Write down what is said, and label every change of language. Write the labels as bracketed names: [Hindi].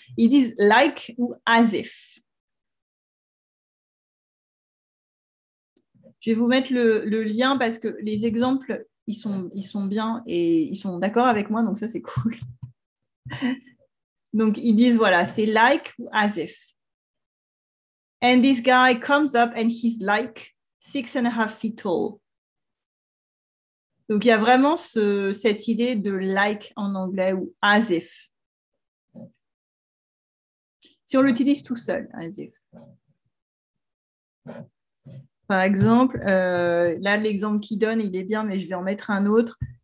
[French] Ils disent like ou as if. Je vais vous mettre le lien parce que les exemples, ils sont bien et ils sont d'accord avec moi, donc ça, c'est cool. Donc, ils disent, voilà, c'est like ou as if. [English] And this guy comes up and he's like 6.5 feet tall. [French] Donc, il y a vraiment cette idée de like en anglais ou as if. Si on l'utilise tout seul, as if. Par exemple, là, l'exemple qu'il donne, il est bien, mais je vais en mettre un autre.